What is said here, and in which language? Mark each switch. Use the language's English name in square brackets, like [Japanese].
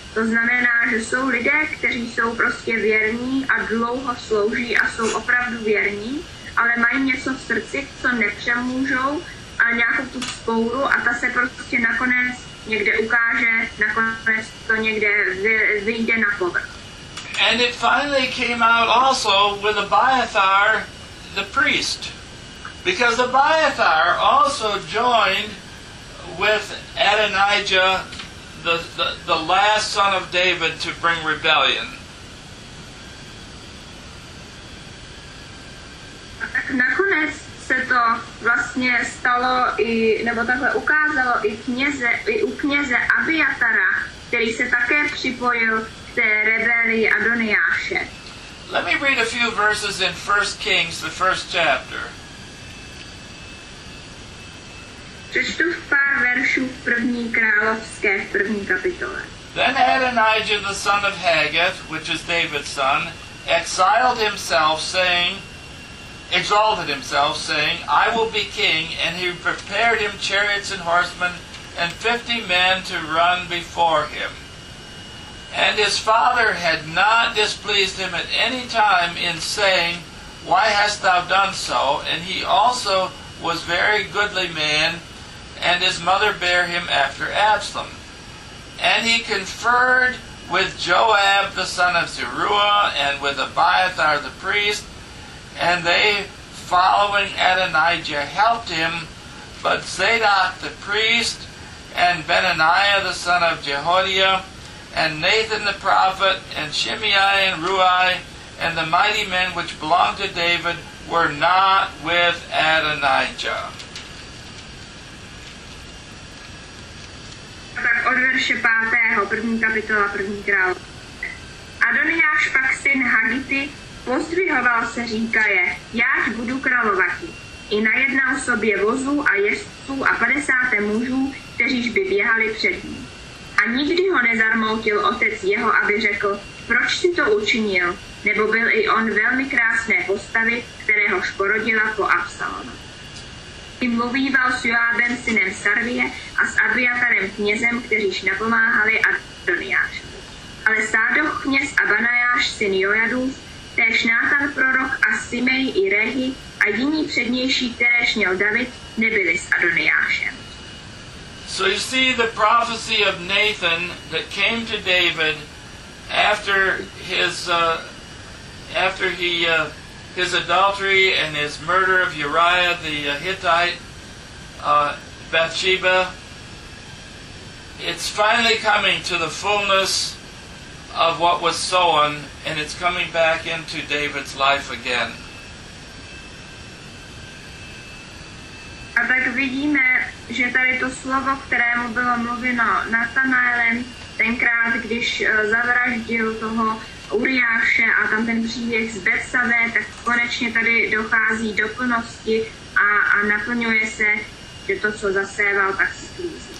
[Czech] To znamená, že jsou lidé, kteří jsou prostě věrní a dlouho slouží a jsou opravdu věrní, ale mají něco v srdci, co nepřemůžou, a nějakou tu spouru, a ta se prostě nakonec někde ukáže, nakonec to někde vyjde na povrch. [English] And it finally came out also with Abiathar, the priest. Because Abiathar also joined with Adonijah, the last son of David, to bring rebellion. [Czech] Tak nakonec se to vlastně stalo i, nebo takhle ukázalo i kněze, i u kněze Abiatara, který se také připojil k té rebelii Adoniáše. [English] Let me read a few verses in 1 Kings, the first chapter. [Czech] Přečtu pár veršů v první královské, v první kapitole. [English] Then Adonijah, the son of Haggith, which is David's son, exiled himself, saying, exalted himself, saying, I will be king, and he prepared him chariots and horsemen and 50 men to run before him. And his father had not displeased him at any time in saying, Why hast thou done so? And he also was very goodly man, and his mother bare him after Absalom. And he conferred with Joab the son of Zeruiah and with Abiathar the priest, and they, following Adonijah, helped him, but Zadok the priest, and Benaniah the son of Jehoiada, and Nathan the prophet, and Shimei and Rui, and the mighty men which belonged to David, were not with Adonijah. [Czech] Tak od verše 5. první kapitola první král. Adoniáš pak syn Hagity pozdvihoval se, říká je, jáž budu královati. I najednal sobě vozů a jezdců a 50 mužů, kteříž by běhali před ním. A nikdy ho nezarmoutil otec jeho, aby řekl, proč si to učinil, nebo byl i on velmi krásné postavy, kteréhož porodila po Absalona. I mluvíval s Joábem, synem Sarvie, a s Abiatarem, knězem, kteříž napomáhali Adoniáš. Ale Sádok, kněz a Banajáš, syn Jojadův, též Nátan prorok a Simej i Rehy a jiní přednější, kteréž měl David, nebyli s Adoniášem. [English] So you see the prophecy of Nathan that came to David after his adultery and his murder of Uriah the Hittite, Bathsheba. It's finally coming to the fullness of what was sown, and it's coming back into David's life again. [Czech] A tak vidíme, že tady to slovo, kterému bylo mluveno Natanaelem, tenkrát, když zavraždil toho Uriáše a tam ten příběh z Betsabé, tak konečně tady dochází do plnosti a naplňuje se, že to, co zaséval, tak se sklízí.